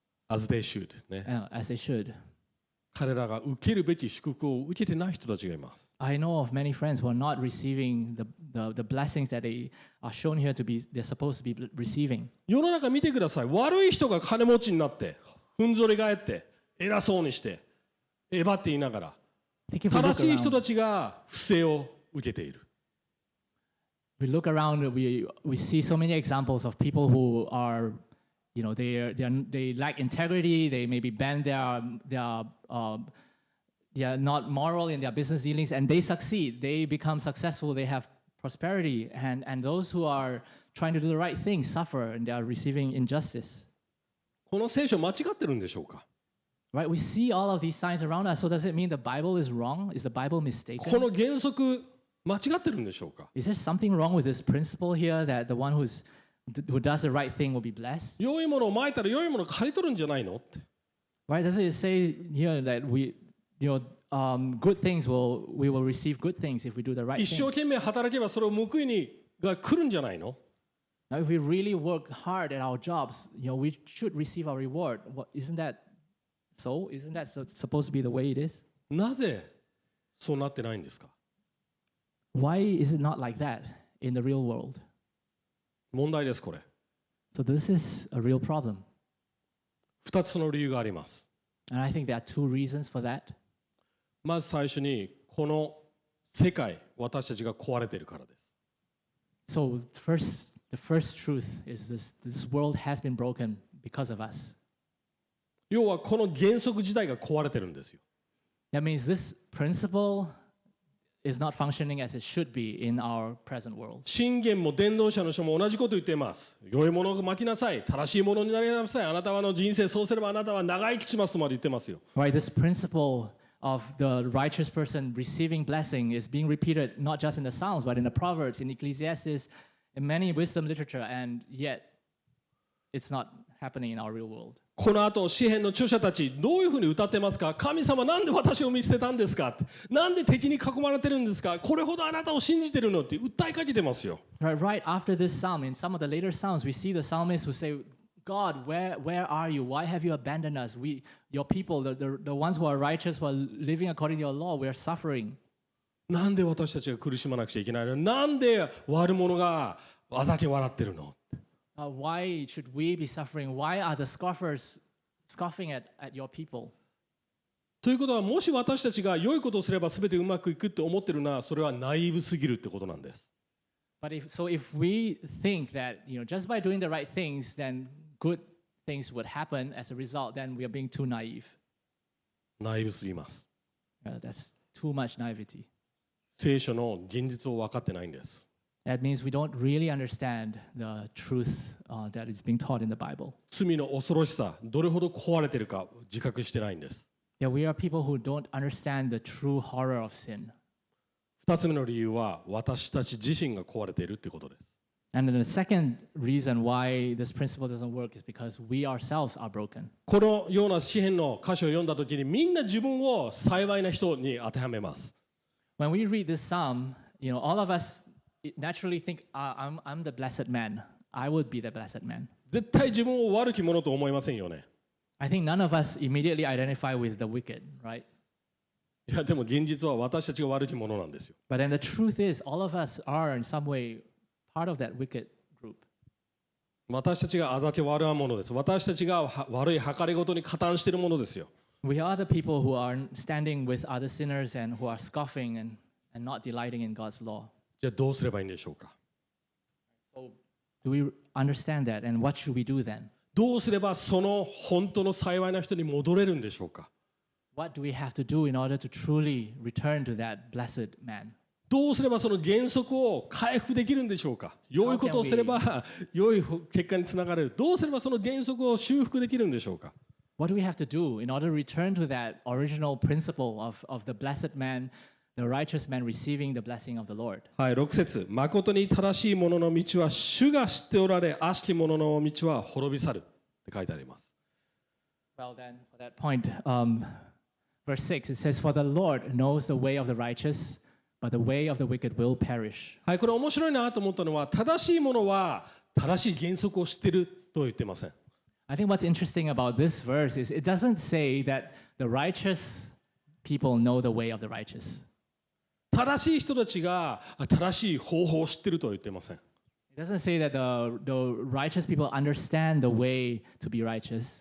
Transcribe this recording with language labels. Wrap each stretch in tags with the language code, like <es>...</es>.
<en>as they should. ね、 as they should.</en> <ja>彼らが受けるべき祝福を受けてない人たちがいます。</ja> <en>I know of many friends who are not receiving the blessings that they are shown here to be they're supposed to be receiving.</en> <ja>世の中見てください。悪い人が金持ちになって、ふんぞり返って、偉そうにして、えばって言いながら、正しい人たちが不正を受けている。</ja> <en>We look around, we see so many examples of people who are, you know, they lack integrity, they maybe bend they are not moral in their business dealings, and they succeed, they become successful, they have prosperity, and those who are trying to do the right thing suffer, and they are receiving injustice.</en> <ja>この聖書間違ってるんでしょうか?</ja> <en>Right, we see all of these signs around us, so does it mean the Bible is wrong? Is the Bible mistaken?</en> <ja>この原則間違ってるんでしょうか?</ja> <en>Is there something wrong with this principle here that the one who does the right thing will be blessed?</en> <ja>良いものをまいたら良いものを刈り取るんじゃないの?</ja> <en>Why does it say here that we, you know, good things will we will receive good things if we do the right thing?</en> <ja>一生懸命働けばそれを報いにが来るんじゃないの?</ja> <en>Now, if we really work hard at our jobs, you know, we should receive our reward. What, isn't that so? Isn't that supposed to be the way it is?</en> <ja>なぜそうなってないんですか?</ja> <en>Why is it not like that in the real world?</en> <ja>問題です、これ。</ja> <en>So this is a real problem.</en> <ja>二つの理由があります。</ja> <en>And I think there are two reasons for that.</en> <ja>まず最初に、この世界、私たちが壊れているからです。</ja> <en>So the first truth is this world has been broken because of us.</en> <ja>要はこの原則自体が壊れているんですよ。</ja> <en>That means this principle... is not functioning as it should be in our present world.</en> <ja>箴言も伝道者の書も同じこと言っています。良いものを巻きなさい、正しいものになりなさい。あなたはの人生そうすればあなたは長生きしますとまで言ってますよ。</ja> <en>Right, this principle of the righteous person receiving blessing is being repeated not just in the Psalms but in the Proverbs, in Ecclesiastes, in many wisdom literature, and yet it's not happening in our real world.</en> <ja>この後詩編の著者たちどういうふうに歌ってますか神様なんで私を見捨てたんですかなんで敵に囲まれてるんですかこれほどあなたを信じてるのって訴えかけてますよ</ja> <en>Right after this psalm in some of the later psalms we see the psalmist who say God where are you why have you abandoned us we your people the ones who are righteous who are living according to your law we are suffering</en> <ja>なんで私たちが苦しまなくちゃいけないのなんで悪者がわざと笑ってるの</ja> <en>Why should we be suffering? Why are the scoffers scoffing at your people?</en> <ja>ということは、もし私たちが良いことをすればすべてうまくいくって思ってるなら、それはナイーブすぎるってことなんです。</ja> <en>But if we think that, you know, just by doing the right things, then good things would happen as a result, then we are being too naive.</en> <ja>ナイーブすぎます。</ja> <en>That's too much naivety.</en> <ja>聖書の現実を分かってないんです。</ja> <en>That means we don't really understand the truth that is being taught in the Bible.</en> <ja>罪の恐ろしさ、どれほど壊れてるか自覚してないんです。</ja> <en>Yeah, we are people who don't understand the true horror of sin.</en> <ja>二つ目の理由は私たち自身が壊れているってことです。</ja> <en>And then the second reason why this principle doesn't work is because we ourselves are broken.</en> <ja>このような詩篇の歌詞を読んだときに、みんな自分を幸いな人に当てはめます。</ja> <en>When we read this psalm, you know, all of us naturally think, I'm the blessed man. I would be the blessed man.</en> <ja>絶対自分を悪き者と思いませんよね。</ja> <en>I think none of us immediately identify with the wicked, right?</en> <ja>いやでも現実は私たちが悪き者なんですよ。</ja> <en>But then the truth is, all of us are in some way part of that wicked group.</en> <ja>私たちがあざけ悪者です。私たちが悪い計り事に加担しているものですよ。</ja> <en>We are the people who are standing with other sinners and who are scoffing and not delighting in God's law.</en> <ja>じゃあどうすればいいんでしょうか。</ja> <en>So, do we understand that and what should we do then?</en> <ja>どうすればその本当の幸いな人に戻れるんでしょうか。</ja> <en>What do we have to do in order to truly return to that blessed man?</en> <ja>どうすればその原則を回復できるんでしょうか。良いことをすれば良い結果につながれる。どうすればその原則を修復できるんでしょうか。</ja> <en>What do we have to do in order to return to that original principle of the blessed man, the righteous man receiving the blessing of the Lord?</en> <ja>はい、6節。誠に正しい者の道は主が知っておられ、悪しき者の道は滅び去るって書いてあります。</ja> <en>Well then, for that point, verse 6, it says, For the Lord knows the way of the righteous, but the way of the wicked will perish.</en> <ja>はい、これ面白いなと思ったのは、正しい者は正しい原則を知ってると言ってません。</ja> <en>I think what's interesting about this verse is it doesn't say that the righteous people know the way of the righteous.</en> <ja>正しい人たちが正しい方法を知ってるとは言ってません。</ja> <en>It doesn't say that the righteous people understand the way to be righteous.</en>